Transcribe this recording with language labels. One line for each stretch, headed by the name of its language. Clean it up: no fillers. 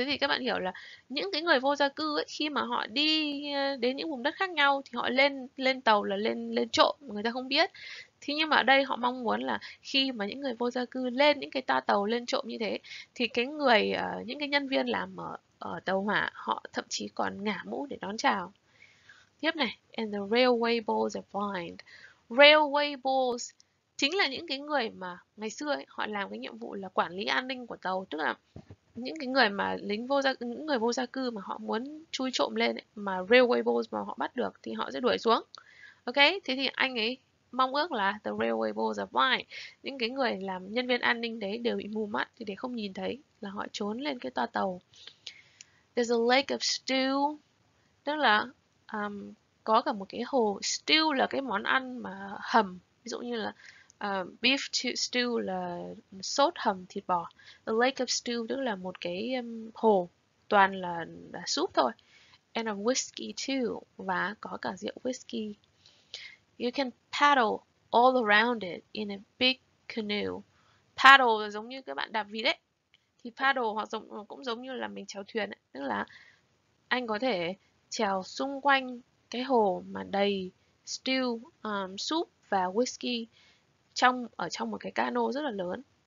Vietnamese: Thế thì các bạn hiểu là những cái người vô gia cư ấy, khi mà họ đi đến những vùng đất khác nhau thì họ lên lên tàu là lên lên trộm, người ta không biết. Thế nhưng mà ở đây họ mong muốn là khi mà những người vô gia cư lên những cái toa tàu lên trộm như thế, thì cái người những cái nhân viên làm ở tàu hỏa họ thậm chí còn ngả mũ để đón chào. Tiếp này,
English: and the railway poles are blind.
Vietnamese: Railway poles chính là những cái người mà ngày xưa ấy, họ làm cái nhiệm vụ là quản lý an ninh của tàu, tức là những cái người mà lính vô gia những người vô gia cư mà họ muốn chui trộm lên ấy, mà railway poles mà họ bắt được thì họ sẽ đuổi xuống. Ok, thế thì anh ấy mong ước là
English: the railway poles are blind,
Vietnamese: những cái người làm nhân viên an ninh đấy đều bị mù mắt thì để không nhìn thấy là họ trốn lên cái toa tàu.
English: There's a lake of stew,
Vietnamese: tức là có cả một cái hồ. Stew là cái món ăn mà hầm, ví dụ như là beef stew là sốt hầm thịt bò.
English: The lake of stew
Vietnamese: tức là một cái hồ toàn là súp thôi.
English: And a whiskey too,
Vietnamese: và có cả rượu whiskey.
English: You can paddle all around it in a big canoe.
Vietnamese: Paddle là giống như các bạn đạp vịt đấy. Thì paddle hoặc cũng giống như là mình chèo thuyền ấy. Tức là anh có thể chèo xung quanh cái hồ mà đầy stew, soup và whiskey ở trong một cái cano rất là lớn.